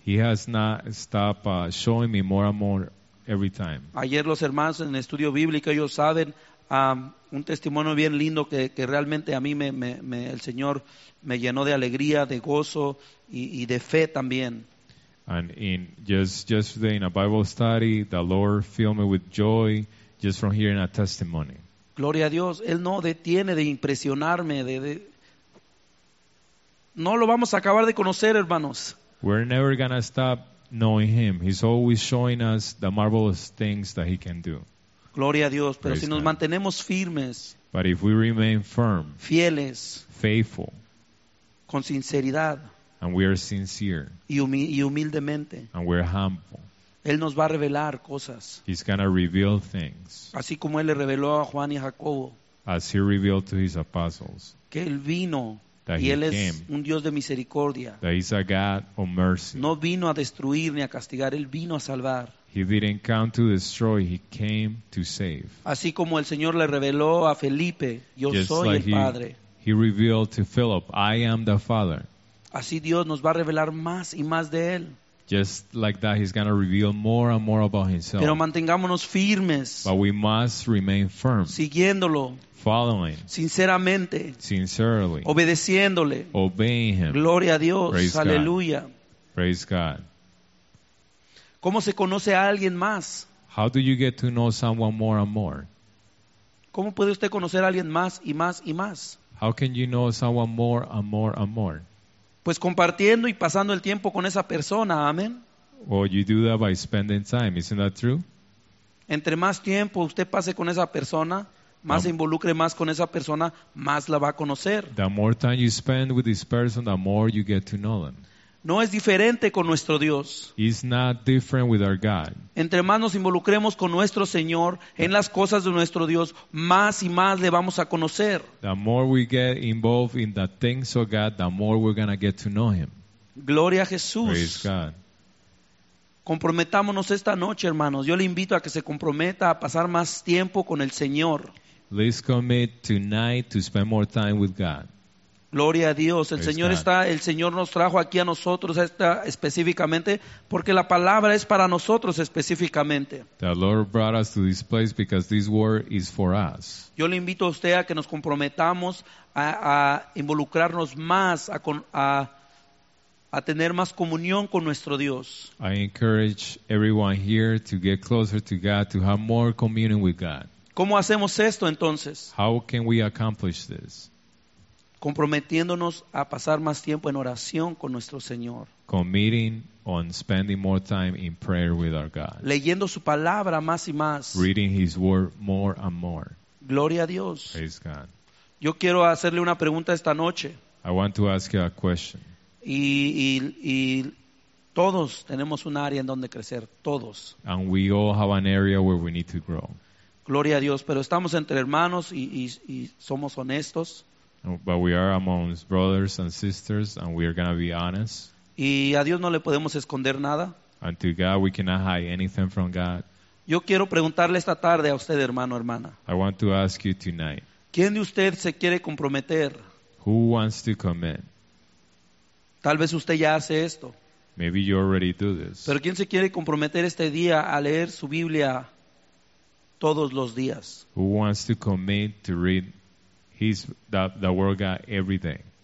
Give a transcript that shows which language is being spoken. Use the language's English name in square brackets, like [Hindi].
[English] He has not stopped showing me more and more every time. [Spanish] Ayer los hermanos en el estudio bíblico, ellos saben, un testimonio bien lindo que realmente a mí me el Señor me llenó de alegría, de gozo y de fe también. [English] And in yesterday in a Bible study, the Lord filled me with joy just from hearing a testimony. [Spanish] Gloria a Dios, Él no detiene de impresionarme. No lo vamos a acabar de conocer, hermanos. [English] We're never gonna stop knowing Him. He's always showing us the marvelous things that He can do. [Spanish] Gloria a Dios, pero si nos mantenemos firmes, [English] but if we remain firm, [Spanish] fieles, [English] faithful, [Spanish] con sinceridad, [English] and we are sincere, [Spanish] y humildemente, [English] and we're humble, [Spanish] Él nos va a revelar cosas. [English] He's gonna reveal things. [Spanish] Así como Él le reveló a Juan y Jacobo. [English] As He revealed to His apostles. [Spanish] Que Él vino. [English] That [Spanish] y [English] He [Spanish] Él [English] came, [Spanish] es un Dios de misericordia. [English] That He's a God of mercy. [Spanish] No vino a destruir ni a castigar. Él vino a salvar. [English] He didn't come to destroy. He came to save. [Spanish] Así como el Señor le reveló a Felipe. Yo [English] just [Spanish] soy [English] like [Spanish] el Padre. [English] He revealed to Philip. I am the Father. [Spanish] Así Dios nos va a revelar más y más de Él. [English] Just like that, He's going to reveal more and more about Himself. [Spanish] Pero mantengámonos firmes. [English] But we must remain firm. [Spanish] Siguiéndolo. [English] Following. [Spanish] Sinceramente. [English] Sincerely. [Spanish] Obedeciéndole. [English] Obeying Him. [Spanish] Gloria a Dios. [English] Praise [Spanish] Aleluya. [English] God. Praise God. [Spanish] ¿Cómo se conoce a alguien más? [English] How do you get to know someone more and more? [Spanish] ¿Cómo puede usted conocer a alguien más y más y más? [English] How can you know someone more and more and more? [Spanish] Pues compartiendo y pasando el tiempo con esa persona, amén. [English] Well, you do that by spending time, isn't that true? [Spanish] Entre más tiempo usted pase con esa persona, más se involucre más con esa persona, más la va a conocer. [English] The more time you spend with this person, the more you get to know them. [Spanish] No es diferente con nuestro Dios. [English] It's not different with our God. [Spanish] Entre más nos involucremos con nuestro Señor en las cosas de nuestro Dios, más y más le vamos a conocer. [English] The more we get involved in the things of God, the more we're going to get to know Him. [Spanish] Gloria a Jesús. [English] Praise God. [Spanish] Comprometámonos esta noche, hermanos. Yo le invito a que se comprometa a pasar más tiempo con el Señor. [English] Let's commit tonight to spend more time with God. [Spanish] Gloria a Dios. El Señor nos trajo aquí a nosotros esta específicamente porque la palabra es para nosotros específicamente. [English] The Lord brought us to this place because this word is for us. [Spanish] Yo le invito a usted a que nos comprometamos a involucrarnos más, a tener más comunión con nuestro Dios. [English] I encourage everyone here to get closer to God, to have more communion with God. [Spanish] ¿Cómo hacemos esto entonces? [English] How can we accomplish this? [Spanish] Comprometiéndonos a pasar más tiempo en oración con nuestro Señor. [English] Committing on spending more time in prayer with our God. [Spanish] Leyendo su palabra más y más. [English] Reading His word more and more. [Spanish] Gloria a Dios. [English] Praise God. [Spanish] Yo quiero hacerle una pregunta esta noche. [English] I want to ask you a question. [Spanish] Y todos tenemos un área en donde crecer, todos. [English] And we all have an area where we need to grow. [Spanish] Gloria a Dios, pero estamos entre hermanos y somos honestos. [English] But we are among brothers and sisters, and we are going to be honest. [Spanish] Y a Dios no le podemos esconder nada. [English] And to God, we cannot hide anything from God. [Spanish] Yo quiero preguntarle esta tarde a usted, hermano, hermana. [English] I want to ask you tonight. [Spanish] ¿Quién de usted se quiere comprometer? [English] Who wants to commit? [Spanish] Tal vez usted ya hace esto. [English] Maybe you already do this. [Spanish] Pero ¿quién se quiere comprometer este día a leer su Biblia todos los días? [English] Who wants to commit to read He's the Word God every day.